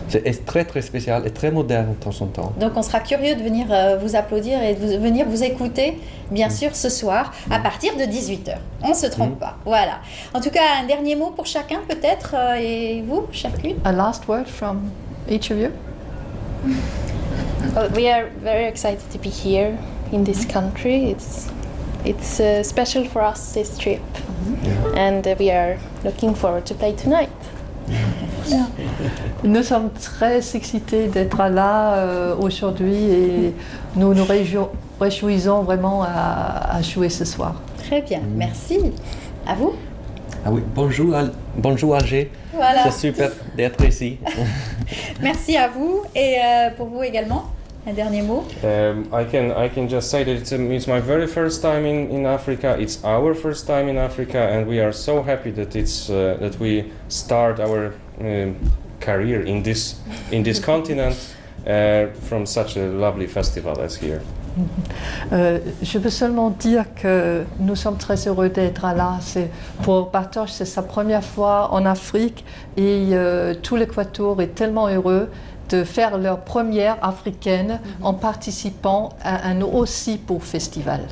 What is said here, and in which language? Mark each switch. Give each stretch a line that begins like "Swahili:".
French: C'est très très spécial et très moderne de temps en temps. Donc on sera curieux de venir vous applaudir et de venir vous écouter, bien sûr, ce soir à partir de 18h. On ne se trompe pas. Voilà. En tout cas, un dernier mot pour chacun peut-être, et vous, chacune.
English: A last word from each of you. We are very excited to be here in this country. It's special for us, this trip. And we are looking forward to play tonight. Yeah.
French: Nous sommes très excités d'être là aujourd'hui et nous nous réjouissons vraiment à jouer ce soir. Très bien, merci. À vous. Ah oui, bonjour Alger. Voilà. C'est super d'être ici. Merci à vous et pour vous également. Un dernier mot.
English: I can just say that it's my very first time in Africa. It's our first time in Africa, and we are so happy that that we start our career in this continent from such a lovely festival as here.
French: Je veux seulement dire que nous sommes très heureux d'être là. C'est pour Bartosz, c'est sa première fois en Afrique, et tout l'Équateur est tellement heureux de faire leur première africaine en participant à un aussi beau festival.